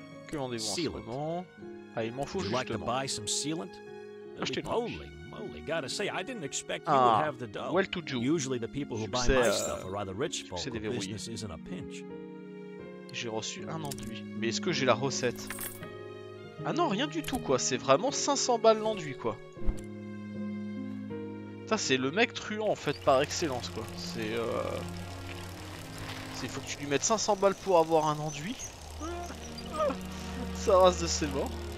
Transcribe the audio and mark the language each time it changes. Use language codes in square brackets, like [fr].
[fr] Que vendez-vous en ce moment? Ah, il m'en faut justement. [en] Like to buy some sealant? [fr] Achetez-nous. [en] Holy moly, gotta say, I didn't expect you would have the dough. Well to do. Usually the people who buy my stuff are rather rich folk. The business isn't a pinch. [fr] J'ai reçu un enduit. Mais est-ce que j'ai la recette? Ah non, rien du tout quoi. C'est vraiment 500 balles l'enduit quoi. Ça, c'est le mec truand en fait par excellence quoi. C'est il faut que tu lui mettes 500 balles pour avoir un enduit. Ça rase de ses morts.